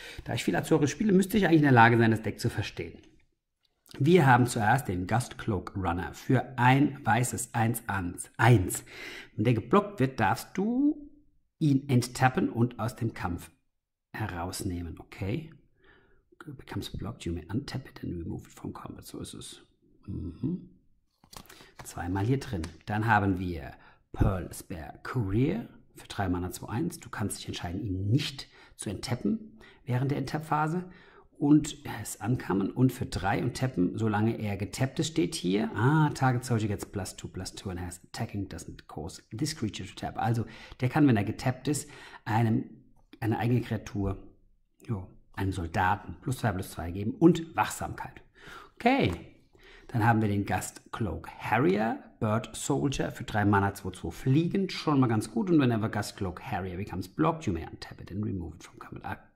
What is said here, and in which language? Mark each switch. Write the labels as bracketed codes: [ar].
[de] Da ich viel Azure spiele, müsste ich eigentlich in der Lage sein, das Deck zu verstehen. Wir haben zuerst den Ghastcloak Runner. Für ein weißes 1/1. Wenn der geblockt wird, darfst du ihn enttappen und aus dem Kampf herausnehmen. Okay. [en] Becomes blocked, you may untap it and remove it from combat. [de] So ist es. Mhm. Zweimal hier drin. Dann haben wir Pearl Spear Courier. Für 3 Mana 2/1. Du kannst dich entscheiden, ihn nicht zu enttappen während der Enttappphase. Und es ankamen. Und für 3 und tappen, solange er getappt ist, steht hier. [en] Ah, Target Soldier gets +2/+2 and has attacking doesn't cause this creature to tap. [de] Also, der kann, wenn er getappt ist, eine eigene Kreatur, jo, einem Soldaten, +2/+2 geben und Wachsamkeit. Okay. Dann haben wir den Ghastcloak Harrier, Bird Soldier, für 3 Mana 2/2 fliegend, schon mal ganz gut. Und [en] whenever Ghastcloak Harrier becomes blocked, you may untap it and remove it from combat.